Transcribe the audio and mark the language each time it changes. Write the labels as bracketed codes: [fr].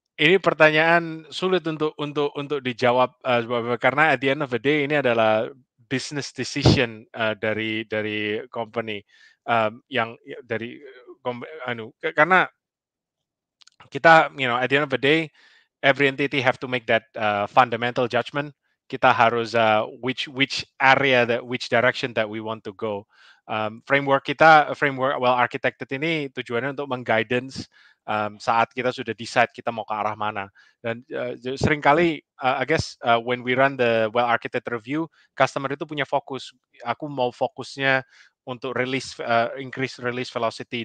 [id] Ini pertanyaan sulit untuk dijawab karena [en] at the end of the day [id] ini adalah [en] business decision [id] dari company yang dari karena kita [en] at the end of the day every entity have to make that fundamental judgment. [id] Kita harus [en] which area that which direction that we want to go. [id] Framework well architected ini tujuannya untuk mengguidance saat kita sudah decide kita mau ke arah mana. Dan seringkali [en] when we run the well architected review, [id] customer itu punya fokus. Aku mau fokusnya untuk [en] increase release velocity.